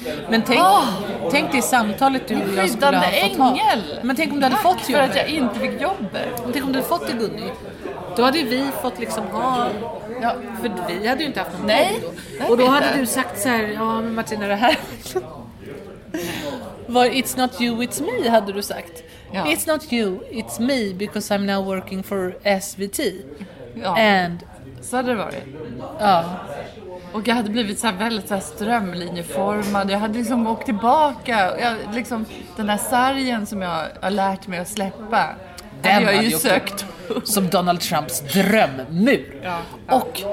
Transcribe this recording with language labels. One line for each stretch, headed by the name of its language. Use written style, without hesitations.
Swedish: Men tänk det samtalet du och jag skulle ha fått ha. Ängel. Men tänk om du hade fått jobbet. För att jag inte fick jobbet. Men tänk om du hade fått det, Gunny. Då hade vi fått liksom ha... Ja, för vi hade ju inte haft någon. Nej. Och då hade du sagt så här, ja men Martina, det här...
English: Var it's not you, it's me,
Swedish: hade du sagt. Ja.
English: It's not you, it's me, because I'm now working for SVT.
Swedish: Ja.
English: And...
Swedish: Så hade det varit. Ja. Och jag hade blivit så här väldigt så här strömlinjeformad. Jag hade liksom åkt tillbaka. Jag, liksom, den här sargen som jag har lärt mig att släppa. Den jag hade ju sökt. Som Donald Trumps drömmur. Ja, ja, och